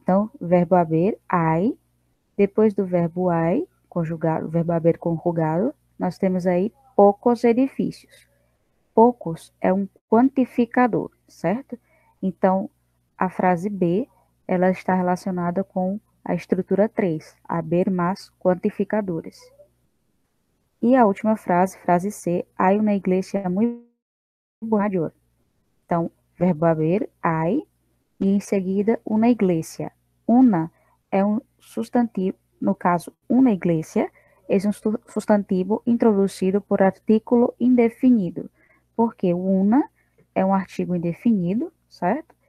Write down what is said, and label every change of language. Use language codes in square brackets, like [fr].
[pt] Então, verbo haver, ai. Depois do verbo ai, conjugado, verbo haver conjugado, nós temos aí poucos edifícios. Poucos é um quantificador, certo? Então, a frase B, ela está relacionada com a estrutura 3, haver mais quantificadores. E a última frase, frase C, [es] hay una iglesia muy mayor. [pt] Então, verbo haber, [es] hay, e em seguida, una iglesia. [pt] Una é um substantivo, no caso, una iglesia, é um substantivo introduzido por artículo indefinido. Porque una é um artigo indefinido, certo?